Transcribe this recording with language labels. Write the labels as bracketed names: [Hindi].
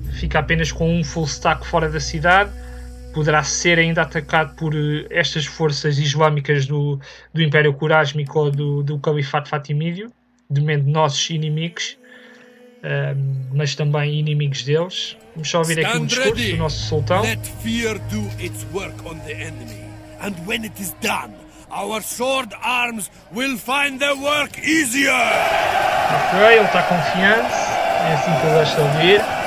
[Portuguese] Fica apenas com um full stack fora da cidade, poderá ser ainda atacado por estas forças islâmicas do Império Corásmico ou do Califato Fatimídeo, de menos nossos inimigos, mas também inimigos deles. Vamos só ouvir aqui um discurso do nosso sultão. [English] Let fear do its work on the enemy, and when it is done, our sword arms will find their work easier. [Portuguese] Ok, ele está confiante, é assim que eu gosto de ouvir.